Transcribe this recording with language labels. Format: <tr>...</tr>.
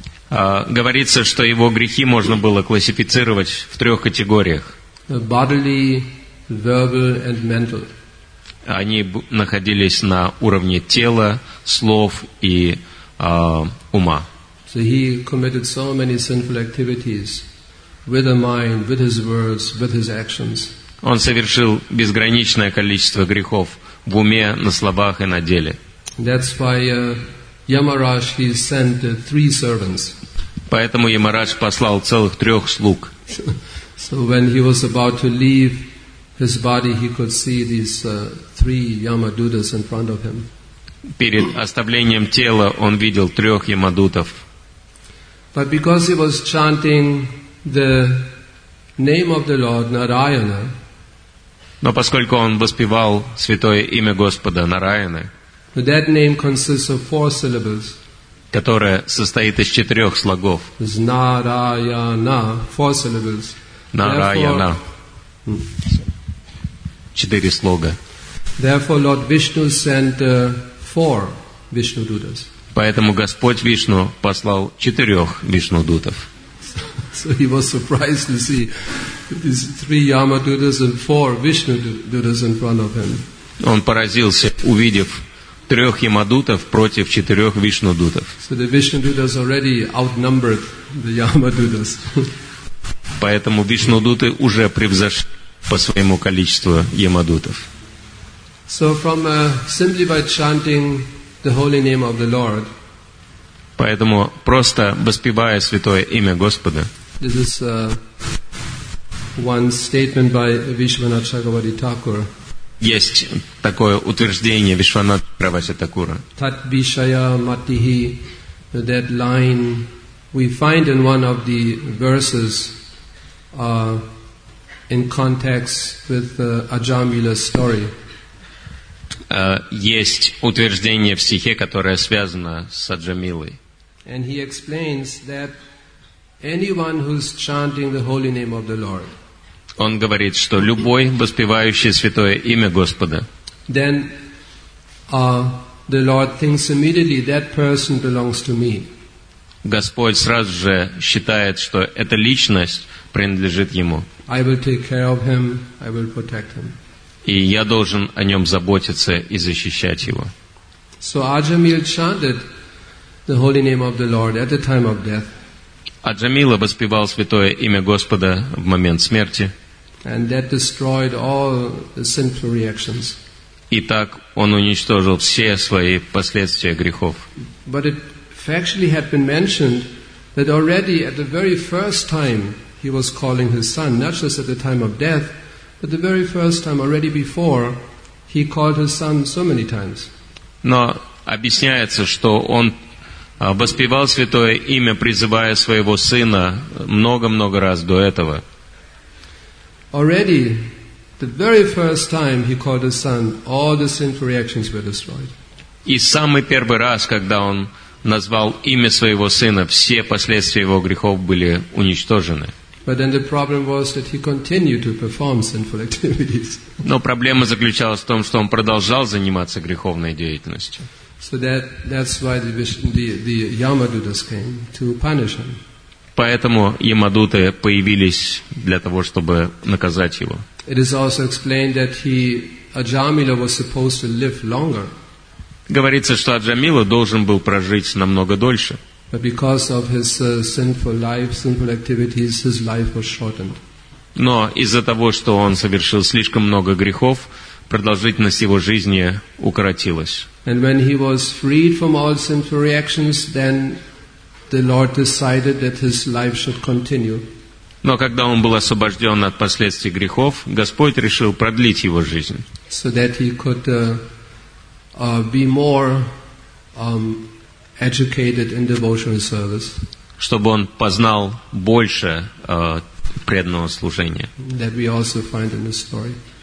<ru>Говорится, что его грехи можно было классифицировать в трех категориях.</ru> <en>Bodily, verbal and mental.</en> <ru>Они находились на уровне тела, слов и ума.</ru> <en>So he committed so many sinful activities with his mind, with his words, with his actions.</en> <ru>Он совершил безграничное количество грехов в уме, на словах и на деле.</ru> <en>That's why Yamaraj he sent three servants.</en> <ru>Поэтому Ямарадж послал целых трех слуг.</ru> <en>So when he was about to leave his body, he could see these three Yamadutas in front of him.</en> <ru>Перед оставлением тела он видел трех Ямадутов.</ru> <en>But because he was chanting the name of the Lord Narayana.</en> <ru>Но поскольку он воспевал святое имя Господа Нараяны.</ru> <en>That name consists of four syllables.</en> <ru>Которая состоит из четырех слогов.</ru> <en>Нараяна, four syllables.</en> <ru>Нараяна. Четыре слога.</ru> <en>Therefore, Lord Vishnu sent four Vishnu Dutas.</en> <ru>Поэтому Господь Вишну послал четырех Вишну Дутов.</ru> <en>So he was surprised to see these three Yama Dutas and four Vishnu Dutas in front of him.</en> <ru>Он поразился, увидев трех Ямадутов против четырех Вишнудутов.</ru> <en>So the Vishnudutas already outnumbered the Yamadutas.</en> <ru>Поэтому Вишнудуты уже превзошли по своему количеству Ямадутов.</ru> <en>So from simply by chanting the holy name of the Lord.</en> <ru>Поэтому просто воспевая святое имя Господа.</ru> <en>This is one statement by Vishwanath Chakravarti Thakur.</en> <ru>Есть такое утверждение Вишванат Правасе Такура.</ru> <sa>Тат бишая матихи,</sa> <en>that line we find in one of the verses in context with Аджамбила's story.</en> <ru>Есть утверждение в стихе, которое связано с Аджамилой.</ru> <en>And he explains that anyone who's chanting the holy name of the Lord.</en> <ru>Он говорит, что любой воспевающий святое имя Господа.</ru> <en>Then the Lord thinks immediately that person belongs to me.</en> <ru>Господь сразу же считает, что эта личность принадлежит ему.</ru> <en>I will take care of him, I will protect him.</en> <ru>И я должен о нем заботиться и защищать его.</ru> <en>So Ajamil chanted the holy name of the Lord at the time of death.</en> <ru>Аджамила воспевал святое имя Господа в момент смерти.</ru> <en>And that destroyed all the sinful reactions.</en> <ru>И так он уничтожил все свои последствия грехов.</ru> <en>But it factually had been mentioned that already at the very first time he was calling his son, not just at the time of death, but the very first time already before, he called his son so many times.</en> <ru>Но объясняется, что он воспевал святое имя, призывая своего сына много-много раз до этого.</ru> <en>Already, the very first time he called his son, all the sinful reactions were destroyed.</en> <ru>И самый первый раз, когда он назвал имя своего сына, все последствия его грехов были уничтожены.</ru> <en>But then the problem was that he continued to perform sinful activities.</en> <ru>Но проблема заключалась в том, что он продолжал заниматься греховной деятельностью.</ru> <en>So that's why the Yamadutas came to punish him.</en> <ru>Поэтому Ямадуты появились для того, чтобы наказать его.</ru> <en>It is also explained that he Аджамила was supposed to live longer.</en> <ru>Говорится, что Аджамила должен был прожить намного дольше.</ru> <en>But because of his sinful life, sinful activities, his life was shortened.</en> <ru>Но из-за того, что он совершил слишком много грехов, продолжительность его жизни укоротилась.</ru> <en>And when he was freed from all sinful reactions, then the Lord decided that his life should continue.</en> <ru>Но когда он был освобожден от последствий грехов, Господь решил продлить его жизнь.</ru> <en>So that he could be more educated in devotional service.</en> <ru>Чтобы он познал больше преданного служения.</ru> <en>That we also find in the story.</en>